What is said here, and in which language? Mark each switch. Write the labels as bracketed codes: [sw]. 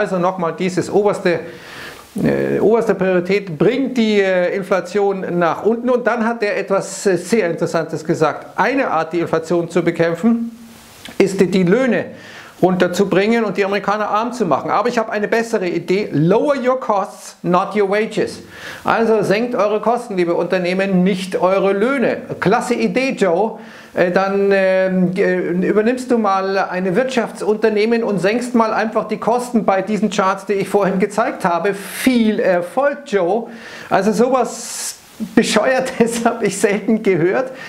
[de] Also nochmal dieses oberste Priorität, bringt die Inflation nach unten. Und dann hat er etwas sehr Interessantes gesagt. Eine Art, die Inflation zu bekämpfen, ist die Löhne runterzubringen und die Amerikaner arm zu machen. Aber ich habe eine bessere Idee. [en] Lower your costs, not your wages. [de] Also senkt eure Kosten, liebe Unternehmen, nicht eure Löhne. Klasse Idee, Joe. Dann übernimmst du mal ein Wirtschaftsunternehmen und senkst mal einfach die Kosten bei diesen Charts, die ich vorhin gezeigt habe. Viel Erfolg, Joe. Also sowas Bescheuertes habe ich selten gehört.